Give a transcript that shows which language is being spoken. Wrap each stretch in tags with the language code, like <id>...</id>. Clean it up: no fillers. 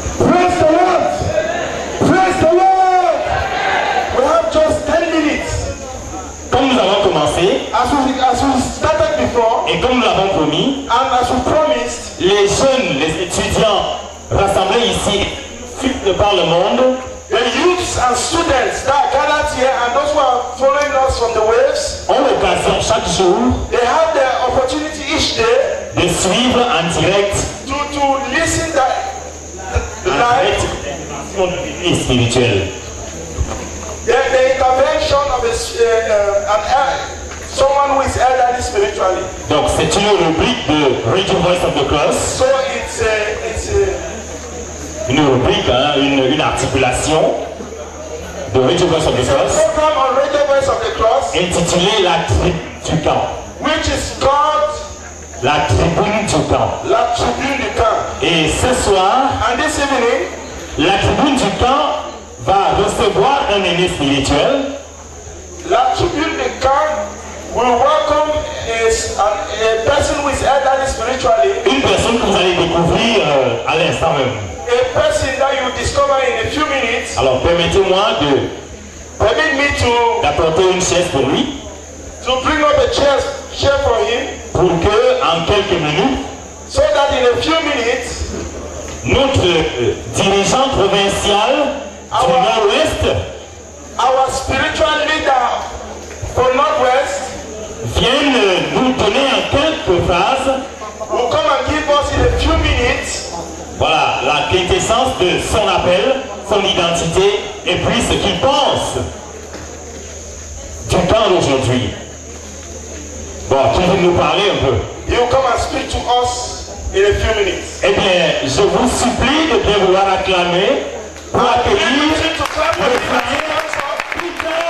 <en>Praise the Lord. Praise the Lord. We have just 10 minutes.</en> <fr>Comme nous avons commencé.</fr> <en>As we started before.</en> <fr>Et comme nous l'avons promis.</fr> <en>And as we promised.</en> <fr>Les jeunes, les étudiants rassemblés ici, de par le monde.</fr> <en>The youths and students that are gathered here and those who are following us from the waves.</en> <fr>Ont l'occasion chaque jour.</fr> <en>They have the opportunity each day.</en> <fr>De suivre en direct.</fr> <en>To listen the live spiritual. Yeah, the intervention of someone who is elderly spiritually.</en> <fr>Donc c'est une rubrique de Radio Voice of the Cross.</fr> <en>So it's a</en> <fr>une rubrique, hein, une articulation de Radio Voice of the Cross.</fr> <en>It's a program on Radio Voice of the Cross.</en> <fr>Intitulé La Tribune du Camp. Which is God. La Tribune du Camp. La Tribune du Camp. Et ce soir.</fr> <en>And this evening.</en> <fr>La Tribune du Camp va recevoir un aîné spirituel.</fr> <en>La Tribune du Camp will welcome a person who is elderly spiritually.</en> <fr>Une personne que vous allez découvrir à l'instant même.</fr> <en>A person that you discover in a few minutes.</en> <fr>Alors permettez-moi de.</fr> <en>Permit me to.</en> <fr>D'apporter une chaise pour lui.</fr> <en>To bring up a chair for him.</en> <fr>Pour que, en quelques minutes.</fr> <en>So that in a few minutes.</en> <fr>Notre dirigeant provincial du Nord-Ouest.</fr> <en>Our spiritual leader from Northwest.</en> <fr>Vienne nous donner en quelques phrases.</fr> <en>Will come and give us in a few minutes.</en> <fr>Voilà la quintessence de son appel, son identité et puis ce qu'il pense du temps d'aujourd'hui. Bon, tu veux nous parler un peu?</fr> <en>You will come and speak to us in a few minutes.</en> <fr>Eh bien, je vous supplie de bien vouloir acclamer pour accueillir le premier.</fr>